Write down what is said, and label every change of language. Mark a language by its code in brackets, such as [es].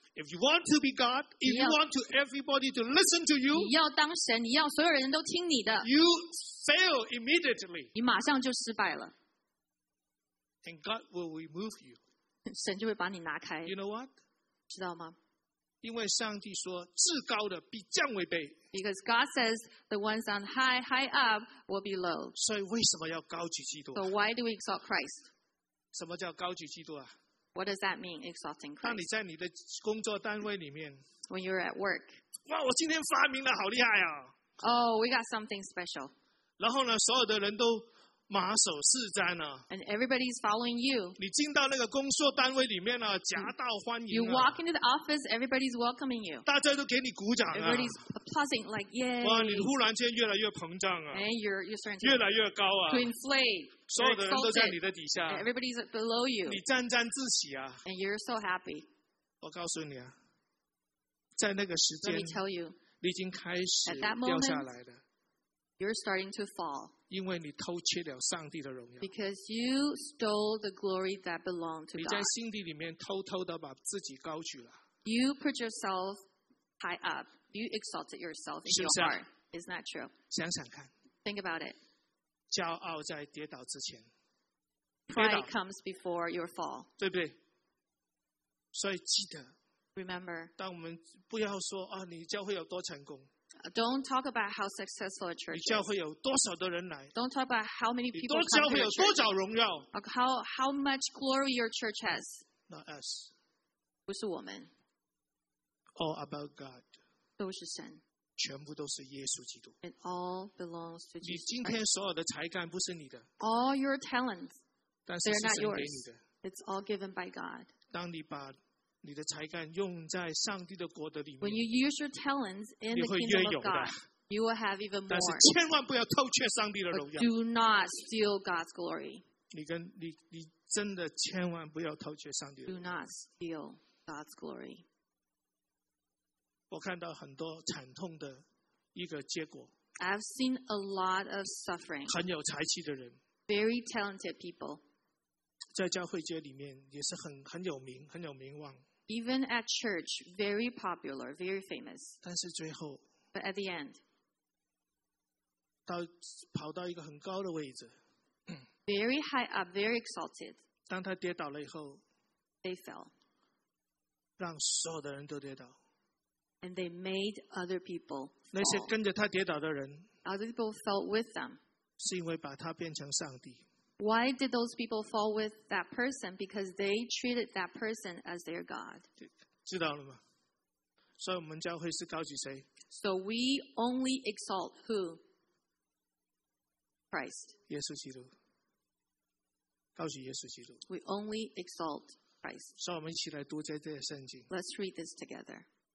[en] If you want to be God, if you want to everybody to listen to you, [zh] 你要当神，你要所有人都听你的。 [en] You fail immediately. [zh] 你马上就失败了。 [en] And God will remove you. [zh] 神就会把你拿开。 [en] You know what? [zh] 知道吗？因为上帝说，至高的必降为卑。 [en] Because God says the ones on high up will be low. [zh] 所以为什么要高举基督 [en] ？So why do we exalt Christ? [zh] 什么叫高举基督啊？ [en] What does that mean, exalting Christ? [zh] 当你在你的工作单位里面 [en] When you're at work [zh] 哇，我今天发明了，好厉害啊！ [en] Oh, we got something special. [zh] 然后呢，所有的人都马首是瞻呢。 [en] And everybody's following you. [zh] 你进到那个工作单位里面呢，夹道欢迎。 [en] You walk into the office, everybody's welcoming you. [zh] 大家都给你鼓掌啊。 [en] Everybody's applauding, like yay. [zh] 哇，你忽然间越来越膨胀啊。 [en] And you're starting to [zh] 越来越高啊。 [en] To inflate. [zh] 所有的人都在你的底下。 [en] Everybody's below you. [zh] 你沾沾自喜啊。 [en] And you're so happy. [zh] 我告诉你啊。在那个时间 [en] Let me tell you, [zh] 你已经开始掉下来了 [en] you're starting to fall, [zh] 因为你偷窃了上帝的荣耀 [en] because you stole the glory that belonged to God. [zh] 你在心底里面偷偷地把自己高举了 [en] You put yourself high up. You exalted yourself in your heart. Isn't that true? [zh] 想想看 [en] Think about it. [zh] 骄傲在跌倒之前 [en] Pride comes before your fall. [zh] 对不对所以记得 [en] Remember, [zh] 但我们不要说、啊、你教会有多成功。 [en] Don't talk about how successful a church is. [zh] 你教会有多少的人来。 [en] Don't talk about how many people come to your [zh] church. 你教会有多少荣耀。 [en] How much glory your church has. Not us. [zh] 不是我们。 [en] All about God. [zh] 都是神。全部都是耶稣基督。 [en] It all belongs to Jesus. [zh] 你今天所有的才干不是你的。 [en] All your talents. [zh] 但是神给你的。 [en] They're not yours. It's all given by God. [zh] 当你把你的才干用在上帝的国的里面。 [en] When you use your talents in the kingdom of God, you will have even more. [zh] 但是千万不要偷窃上帝的荣耀。 [en] Do not steal God's glory. [zh] 你真的千万不要偷窃上帝的荣耀。 [en] Do not steal God's glory. [zh] 我看到很多惨痛的一个结果。 [en] I've seen a lot of suffering. [zh] 很有才气的人。 [en] Very talented people. [zh] 在教会街里面也是 很有名很有名望 [en] Even at church, very popular, very famous. [zh] 但是最后 [en] But at the end, [zh] 到跑到一个很高的位置 [en] Very high up, very exalted. [zh] 当他跌倒了以后 [en] They fell. [zh] 让所有的人都跌倒 [en] And they made other people fall. [zh] 那些跟着他跌倒的人 [en] Other people fell with them. [zh] 是因为把他变成上帝 [en] Why did those people fall with that person? Because they treated that person as their God. [zh] 知道了吗？所以我们教会是高举谁？ [en] So we only exalt who? Christ. [zh] 耶稣基督。高举耶稣基督。 [en] We only exalt Christ. [zh] 所以我们一起来读这些圣经。 [en] Let's read this together.